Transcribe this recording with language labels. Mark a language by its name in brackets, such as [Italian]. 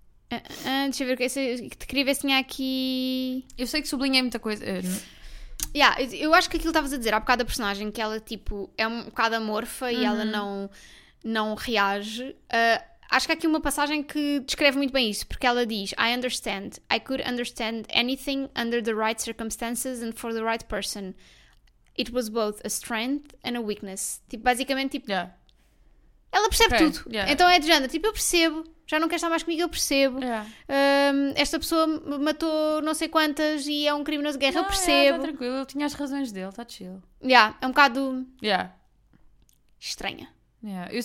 [Portuguese] Deixa eu ver o que é que te queria ver se tinha aqui... Eu sei que sublinhei muita coisa. Eu acho que aquilo que estavas a dizer, há bocado a personagem, que ela tipo é um bocado amorfa e ela não reage... Acho que há aqui uma passagem que descreve muito bem isso, porque ela diz: [English] I understand. I could understand anything under the right circumstances and for the right person. It was both a strength and a weakness. [Portuguese] Tipo, basicamente, tipo. [English] Yeah. [Portuguese] Ela percebe okay. tudo. [English] Yeah. [Portuguese] Então é de género: tipo, eu percebo. Já não quer estar mais comigo, eu percebo. [English] Yeah. [Portuguese] Esta pessoa matou não sei quantas e é um criminoso de guerra, não, eu percebo. Está tranquilo, ele tinha as razões dele, está chill. Yeah, é um bocado. [English] Yeah. [Portuguese] Estranha. [English] Yeah.